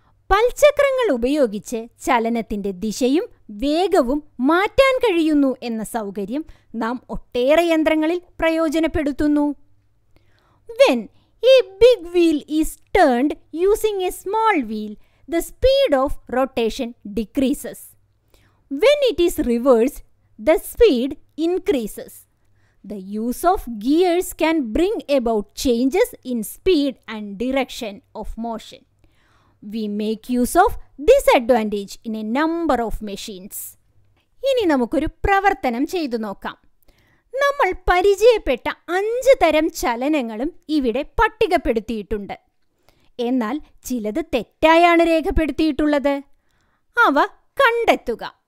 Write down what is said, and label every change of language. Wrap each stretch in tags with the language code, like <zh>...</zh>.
<ml>പൽചക്രങ്ങൾ ഉപയോഗിച്ച് ചലനത്തിൻ്റെ ദിശയും വേഗവും മാറ്റാൻ കഴിയുന്നു എന്ന സൗകര്യം നാം ഒട്ടേറെ യന്ത്രങ്ങളിൽ പ്രയോജനപ്പെടുത്തുന്നു.</ml> <en>When a big wheel is turned using a small wheel, the speed of rotation decreases. When it is reversed, the speed increases. The use of gears can bring about changes in speed and direction of motion. We make use of this advantage in a number of machines.</en> <ml>ഇനി നമുക്കൊരു പ്രവർത്തനം ചെയ്തു നോക്കാം. നമ്മൾ പരിചയപ്പെട്ട 5 തരം ചലനങ്ങളും ഇവിടെ പട്ടികപ്പെടുത്തിയിട്ടുണ്ട്. എന്നാൽ ചിലത് തെറ്റായാണ് രേഖപ്പെടുത്തിയിട്ടുള്ളത്. അവ കണ്ടെത്തുക.</ml>